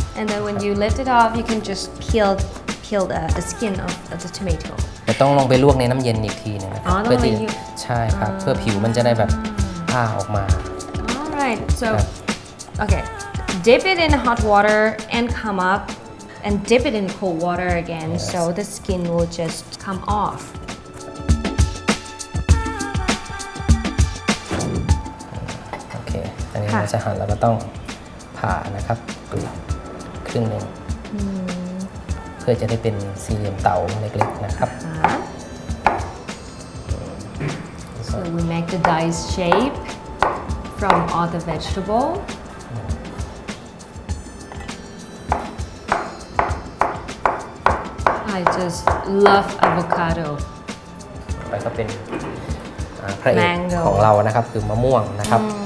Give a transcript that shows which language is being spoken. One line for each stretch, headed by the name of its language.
English: and then when you lift it off, you can just peel the skin of the tomato.
Thai: ต้องลงไปลวกในน้ำเย็นอีกทีนึงนะครับ เพื่อ ที่ใช่ครับเพื่อผิวมันจะได้แบบผ้าออกมา
English: alright so okay dip it in hot water and come up and dip it in cold water again yes. so the skin will just come off
Thai: โอเคอันนี้เราจะหั่นแล้วก็ต้องผ่านะครับครึ่งนึงเพื่อจะได้เป็นสี่เหลี่ยมเต๋าเล็กๆนะครับ
English: So we make the dice shape from all the vegetable I just love avocado
Thai: ไปก็เป็นพระเอกของเรานะครับคือมะม่วงนะครับ